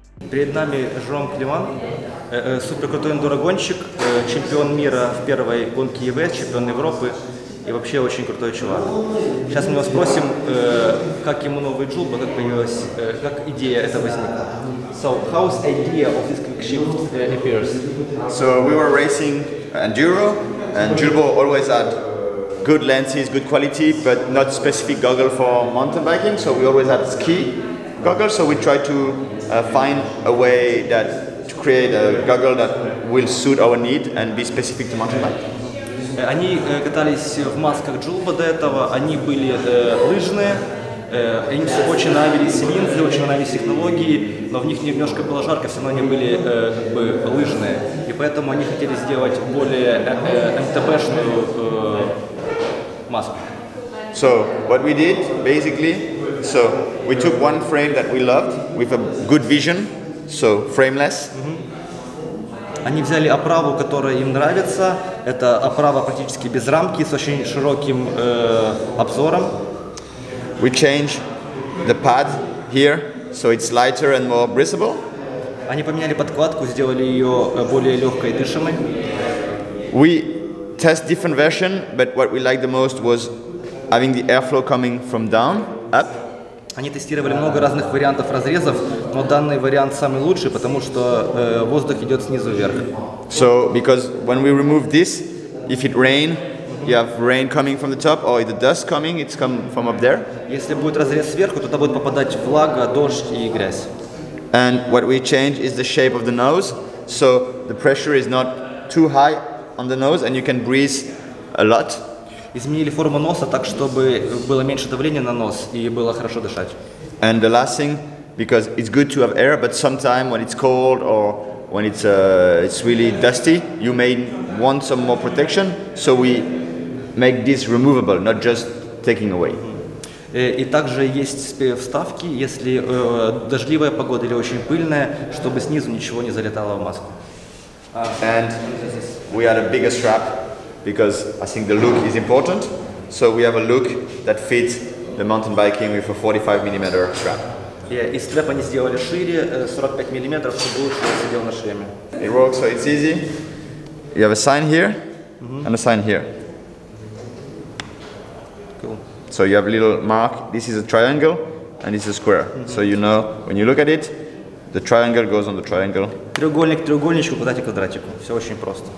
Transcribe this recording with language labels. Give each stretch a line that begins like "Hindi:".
Russian: Перед нами Жером Клеман, суперкрутой эндурогонщик, чемпион мира в первой гонке EVS, чемпион Европы. И вообще очень крутой чувак. Сейчас мы его спросим, как ему новый джулба, как появилась, как идея эта возникла.
English: So, how's the idea of this quick shift appears? So, we were racing enduro, and Jubo always had good lenses, good quality, but not specific goggle for mountain biking. So, we always had ski goggles. So, we tried to find a way to create a goggle that will suit our need and be specific to mountain biking.
Russian: Они катались в масках Джулба до этого, они были лыжные, им все очень нравились линзы, очень нравились технологии, но в них немножко было жарко, все равно они были лыжные. И поэтому они хотели сделать более МТБшную маску.
English: So, what we did, basically, so we took one frame that we loved with a good vision, so frameless.
Russian: Они взяли оправу, которая им нравится. Это оправа практически без рамки, с очень широким обзором.
English: We change the pad here, so it's lighter and more breathable.
Russian: Они поменяли подкладку, сделали ее более легкой и дышимой.
English: We test different version, but what we liked the most was having the airflow coming from down, up.
Russian: Они тестировали много разных вариантов разрезов, но данный вариант самый лучший, потому что воздух идет снизу вверх.
English: So, because when we remove this, if it rain, you have rain coming from the top, or the dust coming, it's come from up there.
Russian: Если будет разрез сверху, туда будет попадать влага, дождь и грязь.
English: And what we change is the shape of the nose, so the pressure is not too high on the nose, and you can breathe a lot.
Russian: Изменили форму носа так, чтобы было меньше давления на нос и было хорошо дышать.
English: And the last thing, because it's good to have air, but sometimes when it's cold or when it's really dusty, you may want some more protection. So we make this removable, not just taking away.
Russian: И также есть вставки, если дождливая погода или очень пыльная, чтобы снизу ничего не залетало в маску.
English: And we had a bigger strap because I think the look is important. So we have a look that fits the mountain biking with a 45 mm strap.
Russian: И стрэп они сделали шире, 45 мм, чтобы лучше сидел на шлеме.
English: It works, so it's easy. You have a sign here and a sign here. So you have a little mark. This is a triangle, and this is a square. Mm-hmm. So you know when you look at it, the triangle goes on the triangle.
Russian: Треугольник треугольничку, квадратик квадратику. Все очень просто.